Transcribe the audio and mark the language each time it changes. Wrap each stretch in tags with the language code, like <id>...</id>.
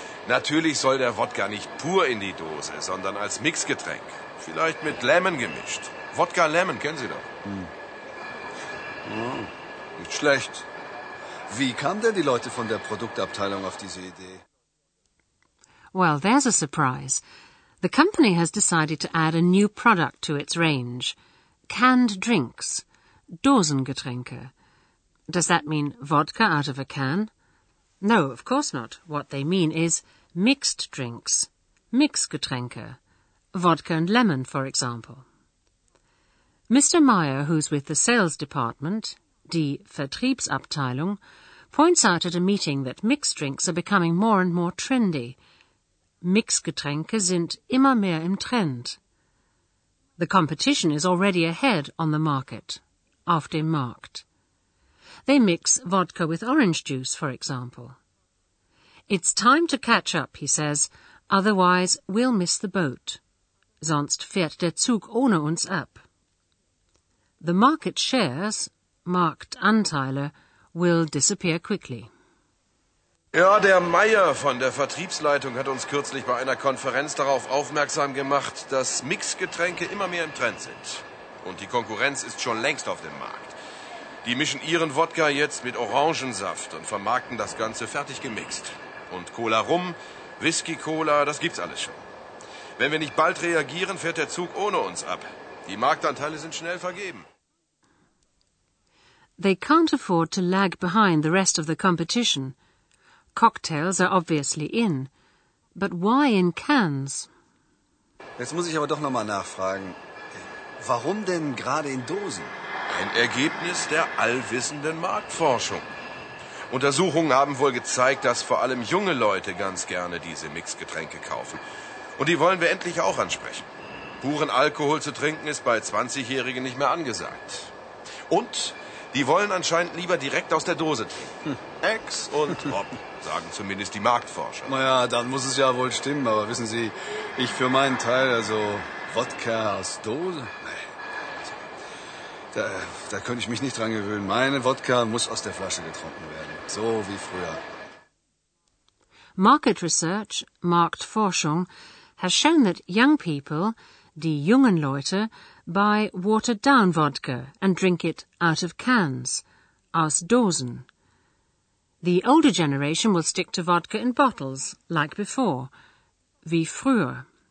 <de>Natürlich soll der Wodka nicht pur in die Dose, sondern als Mixgetränk. Vielleicht mit Lemon gemischt. Wodka Lemon, kennen Sie doch. Hm. Ja, nicht schlecht. Wie kamen denn die Leute von der Produktabteilung auf diese Idee?</de> <en>Well, there's a surprise. The company has decided to add a new product to its range. Canned drinks. Dosengetränke. Does that mean vodka out of a can? No, of course not. What they mean is mixed drinks. Mixgetränke. Vodka and lemon, for example. Mr. Meyer, who's with the sales department, die Vertriebsabteilung, points out at a meeting that mixed drinks are becoming more and more trendy.</en> <de>Mixgetränke sind immer mehr im Trend.</de> <en>The competition is already ahead on the market,</en> <de>auf dem Markt.</de> <en>They mix vodka with orange juice, for example. It's time to catch up, he says, otherwise we'll miss the boat.</en> <de>Sonst fährt der Zug ohne uns ab.</de> <en>The market shares, Marktanteile, will disappear quickly.</en> <de>Ja, der Meier von der Vertriebsleitung hat uns kürzlich bei einer Konferenz darauf aufmerksam gemacht, dass Mixgetränke immer mehr im Trend sind. Und die Konkurrenz ist schon längst auf dem Markt. Die mischen ihren Wodka jetzt mit Orangensaft und vermarkten das Ganze fertig gemixt. Und Cola Rum, Whisky Cola, das gibt's alles schon. Wenn wir nicht bald reagieren, fährt der Zug ohne uns ab. Die Marktanteile sind schnell vergeben.</de> <en>They can't afford to lag behind the rest of the competition. Cocktails are obviously in. But why in cans?</en> <de>Jetzt muss ich aber doch nochmal nachfragen. Warum denn gerade in Dosen? Ein Ergebnis der allwissenden Marktforschung. Untersuchungen haben wohl gezeigt, dass vor allem junge Leute ganz gerne diese Mixgetränke kaufen. Und die wollen wir endlich auch ansprechen. Puren Alkohol zu trinken ist bei 20-Jährigen nicht mehr angesagt. Und die wollen anscheinend lieber direkt aus der Dose trinken. Ex und Hop, sagen zumindest die Marktforscher. Naja, dann muss es ja wohl stimmen. Aber wissen Sie, ich für meinen Teil, also Wodka aus Dose? Nee. Da könnte ich mich nicht dran gewöhnen. Meine Wodka muss aus der Flasche getrunken werden. So wie früher.</de> <en>Market Research, Marktforschung, has shown that young people,</en> <de>die jungen Leute,</de> <en>buy watered-down vodka and drink it out of cans,</en> <de>aus Dosen.</de> <en>The older generation will stick to vodka in bottles, like before,</en> <de>wie früher.</de>